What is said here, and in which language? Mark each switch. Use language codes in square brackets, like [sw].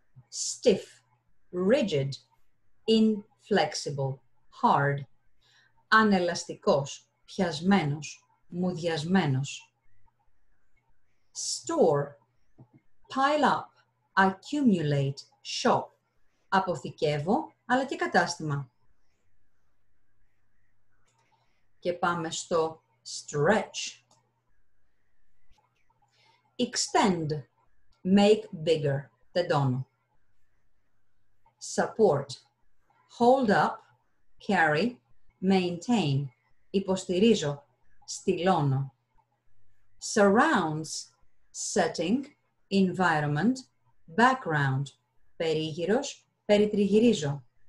[en] Stiff, rigid, inflexible, hard, [el] ανελαστικός, πιασμένος, μουδιασμένος. [en] Store, pile up, accumulate, shop, [el] αποθηκεύω, αλλά και κατάστημα. Και πάμε στο stretch. [en] Extend, make bigger, [el] τεντώνω. [en] Support, hold up, carry, maintain, [el] υποστηρίζω, στυλώνω. [en] Surrounds, setting, environment, background, [el] περίγυρος, περιτριγυρίζω.